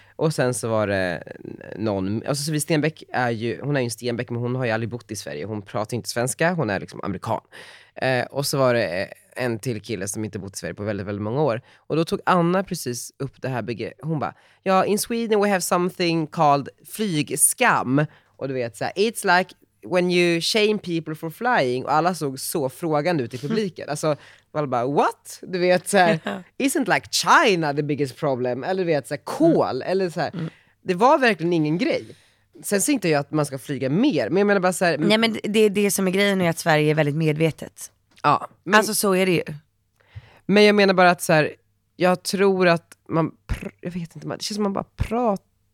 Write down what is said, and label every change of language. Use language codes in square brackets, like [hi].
[sv] Och sen så var det någon, alltså Sofie Stenbäck är ju, hon är ju en Stenbäck, men hon har ju aldrig bott i Sverige. Hon pratar inte svenska, hon är liksom amerikan. Och så var det en till kille som inte bott i Sverige på väldigt, väldigt många år. Och då tog Anna precis upp det här begreppet. Hon bara, ja, [en] in Sweden we have something called flygskam. [sv] Och du vet så här, [en] it's like when you shame people for flying. [sv] Och alla såg så frågande ut i publiken. Alltså, man bara, [en] what? [sv] Du vet så här, [en] isn't like China the biggest problem? [sv] Eller du vet så här, kol? Mm. Eller så här, det var verkligen ingen grej. Sen ser inte jag att man ska flyga mer. Men jag menar bara så här, nej, men det som är grejen är att Sverige är väldigt medvetet. Ja, men, alltså så är det ju. Men jag menar bara att så här, jag tror att man, jag vet inte, det känns som man bara pratar.